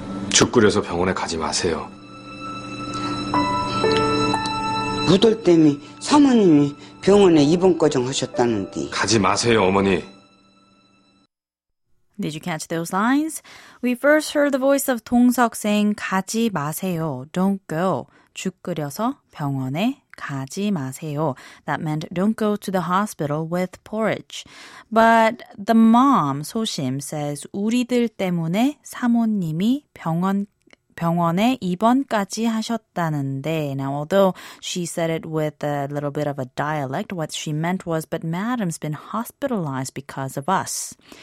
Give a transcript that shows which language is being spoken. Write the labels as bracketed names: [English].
[Korean] 죽 끓여서 병원에 가지 마세요. 우돌 때문에 사모님이 병원에 입원과정 하셨다는데. 가지 마세요, 어머니. [English] Did you catch those lines? We first heard the voice of 동석 saying [Korean] 가지 마세요, [English] don't go. [Korean] 죽 끓여서 병원에 가지 마세요. [English] That meant don't go to the hospital with porridge. But the mom, 소심, says [Korean] 우리들 때문에 사모님이 병원에 입원까지 하셨다는데. [English] Now, although she said it with a little bit of a dialect, what she meant was, but madam's been hospitalized because of us.